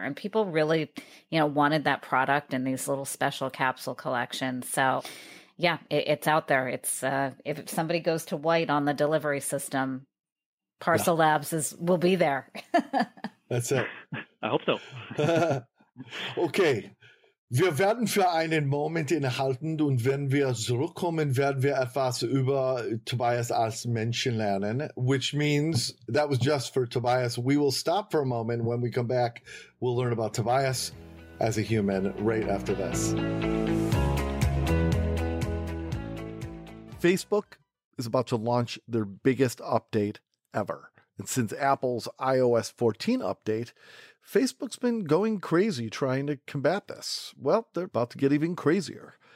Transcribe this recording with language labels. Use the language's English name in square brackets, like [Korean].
[English] And people really, you know, wanted that product in these little special capsule collections. So, yeah, it's out there. It's if somebody goes to white on the delivery system, Parcel Labs will be there. That's it. I hope so. Okay. [German] Wir werden für einen Moment innehalten und wenn wir zurückkommen, werden wir etwas über Tobias als Menschen lernen, [English] which means that was just for Tobias. We will stop for a moment. When we come back, we'll learn about Tobias as a human right after this. Facebook is about to launch their biggest update ever. And since Apple's iOS 14 update, Facebook's been going crazy trying to combat this. Well, they're about to get even crazier.